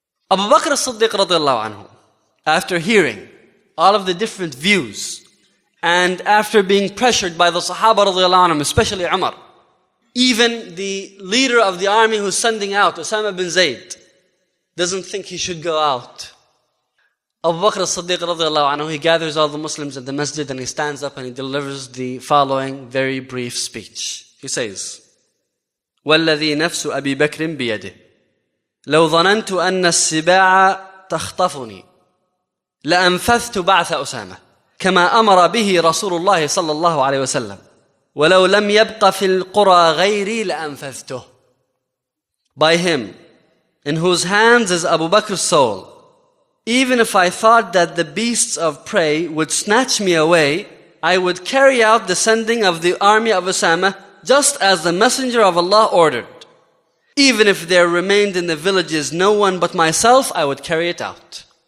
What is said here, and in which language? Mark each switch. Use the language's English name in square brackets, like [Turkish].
[English] Abu Bakr as-Siddiq radiallahu anhu, after hearing all of the different views, and after being pressured by the Sahaba radiallahu anhu, especially Umar, even the leader of the army who's sending out, Osama bin Zayd, doesn't think he should go out. Abu Bakr as-Siddiq radiallahu anhu, he gathers all the Muslims in the masjid and he stands up and he delivers the following very brief speech. He says, [Arabic] وَالَّذِي نَفْسُ أَبِي بَكْرٍ بِيَدِهِ لَوْ ظَنَنْتُ أَنَّ السِّبَاعَ تَخْطَفُنِي لَأَنْفَثْتُ بَعْثَ أُسَامَةَ كما أمر به رسول الله صلى الله عليه وسلم ولو لم يبق في القرى غيري لأنفذته. [English] By him, in whose hands is Abu Bakr's soul, even if I thought that the beasts of prey would snatch me away, I would carry out the sending of the army of Usama just as the Messenger of Allah ordered. Even if there remained in the villages no one but myself, I would carry it out.